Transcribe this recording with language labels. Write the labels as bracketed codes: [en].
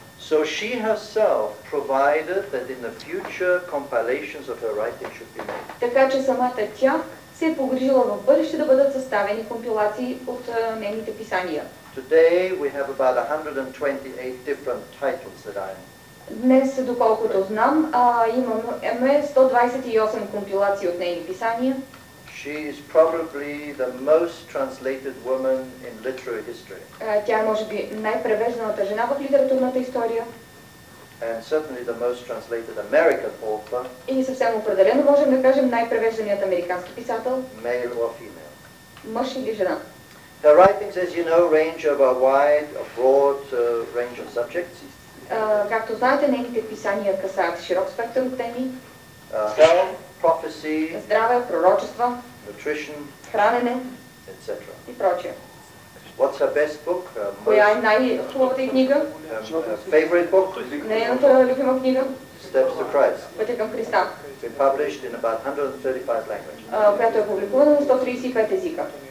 [en] So she herself provided that in the future compilations of her writing should be made. [bg] Така че самата тя се е погрижила в бъдеще да бъдат съставени компилации от нейните писания. [en] Today we have about 128 different titles that I am. [bg] Днес, доколкото знам, имаме 128 компилации от нейни писания. [en] She is probably the most translated woman in literary history. [bg] Тя може би най-превежданата жена в литературната история. [en] And certainly the most translated American author. [bg] И съвсем определено можем да кажем най-превежданият американски писател. [en] Male or female. [bg] Мъж или жена. [en] Her writings, as you know, range over a broad range of subjects. [bg] Както знаете, нейните писания касаят широк спектър от теми. [en] Health, prophecy, [bg] здраве, пророчество, [en] nutrition, [bg] хранене, [en] etc. [bg] И прочее. [en] What's her best book? [bg] Коя е най-хубавата книга? [en] Favorite book? [bg] Нейната любима книга? [en] Steps to Christ. [bg] Пътя към Христа. [en] Been published in about 135 languages. [bg] Която е публикувана на 135 езика.